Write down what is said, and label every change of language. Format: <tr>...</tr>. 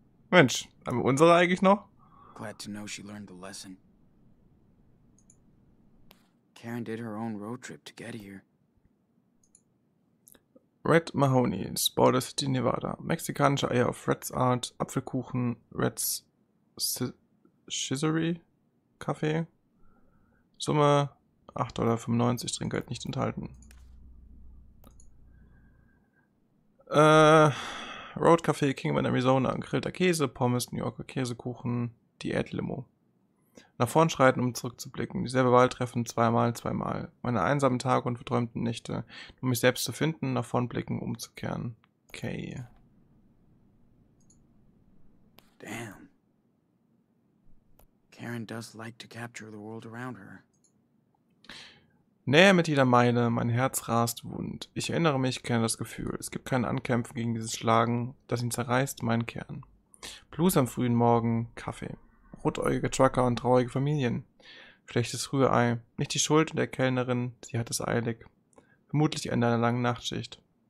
<de>Mensch, haben wir unsere eigentlich noch?</de> <en>Glad to know she learned the lesson. Karen did her own road trip to get here. Red Mahoney, Border City, Nevada.</en> <de>Mexikanische Eier auf Red's Art, Apfelkuchen, Red's Scissory Kaffee. Summe $8.95, Trinkgeld nicht enthalten. Road Café Kingman, Arizona. Grillter Käse, Pommes, New Yorker Käsekuchen, Diätlimo. Nach vorn schreiten, um zurückzublicken. Dieselbe Wahl treffen, zweimal. Meine einsamen Tage und verträumten Nächte. Um mich selbst zu finden, nach vorn blicken, umzukehren.</de> <en>Okay. Damn. Karen does like to capture the world around her.</en> <de>Näher mit jeder Meile, mein Herz rast wund. Ich erinnere mich, kenne das Gefühl. Es gibt kein Ankämpfen gegen dieses Schlagen, das ihn zerreißt, meinen Kern. Blues am frühen Morgen, Kaffee. Rotäugige Trucker und traurige Familien. Schlechtes Rührei. Nicht die Schuld der Kellnerin, sie hat es eilig. Vermutlich Ende einer langen Nachtschicht.</de>